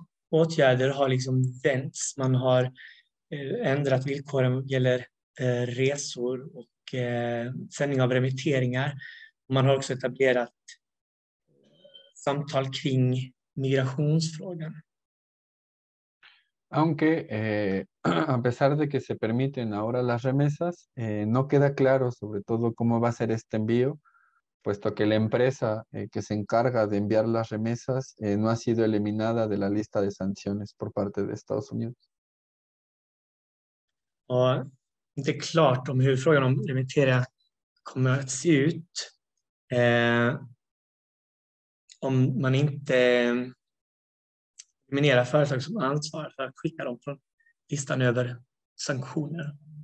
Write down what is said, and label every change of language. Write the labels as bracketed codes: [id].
[sv] Åtgärder har liksom vänts. Man har ändrat villkoren gäller resor och sändning av remitteringar. Man har också etablerat samtal kring migrationsfrågan. [es] Aunque a pesar de que se permiten ahora las remesas, no queda claro sobre todo cómo va a ser este envío, puesto que la empresa que se encarga de enviar las remesas no ha sido eliminada de la lista de sanciones por parte de Estados Unidos. [sv] Ja, inte klart om hur frågan om remittera kommer att se ut. Om man inte eliminerar företag som ansvarar för att skicka dem från listan över sanktioner.